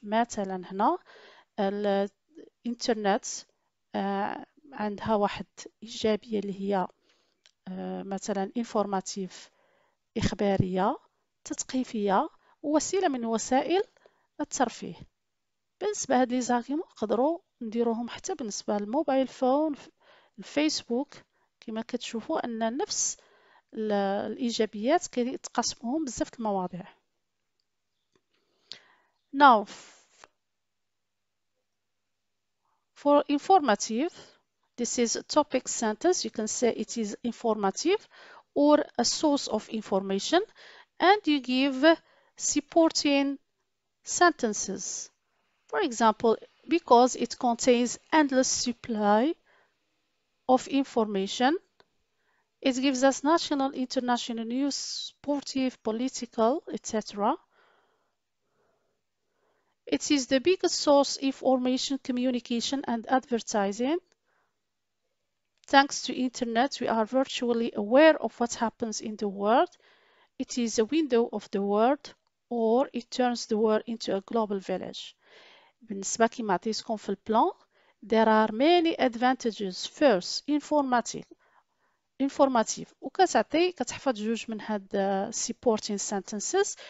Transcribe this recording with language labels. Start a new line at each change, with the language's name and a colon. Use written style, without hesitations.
Arabic: مثلا هنا الانترنت عندها واحد إيجابية اللي هي مثلا انفورماتيف إخبارية تثقيفية ووسيلة من وسائل الترفيه. بالنسبة هاد لي زاغيمون نقدرو نديروهم حتى بالنسبة للموبايل فون الفيسبوك. كما كتشوفو أن نفس الإيجابيات كيتقاسموهم بزاف المواضيع.
English: Now for informative, this is a topic sentence. You can say it is informative or a source of information. And you give supporting sentences. For example, because it contains endless supply of information, it gives us national, international news, sportive, political, etc. It is the biggest source of information, communication, and advertising. Thanks to internet, we are virtually aware of what happens in the world. It is a window of the world, or it turns the world into a global village.
Arabic: بالنسبة كما عطيتكم في البلان,
English: there are many advantages. First, informative.
Arabic: وكتعطي كتحفظ جوج من هاد supporting sentences.